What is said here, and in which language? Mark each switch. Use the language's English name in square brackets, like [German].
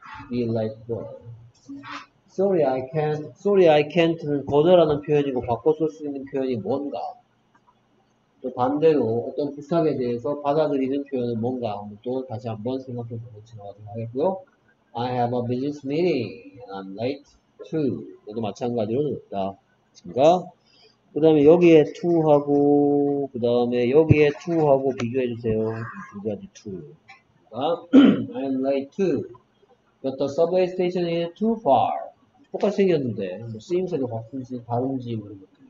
[English] Be like what? Sorry, I can't. Sorry, I can't [Korean] 는 거절하는 표현이고 바꿔 쓸 수 있는 표현이 뭔가. 또 반대로 어떤 부탁에 대해서 받아들이는 표현은 뭔가. 또 다시 한번 생각해 보고 지나가도록 하겠고요. [English] I have a business meeting and I'm late too. [Korean] 이것도 마찬가지로 넣었다. 그니까 그 다음에 여기에 to 하고 그 다음에 여기에 to 하고 비교해 주세요. [English] 두 가지 to. 그러니까 I'm late too. But the subway station is too far. [Korean] 똑같이 생겼는데 뭐 쓰임새도 같은지 다른지 모르겠고.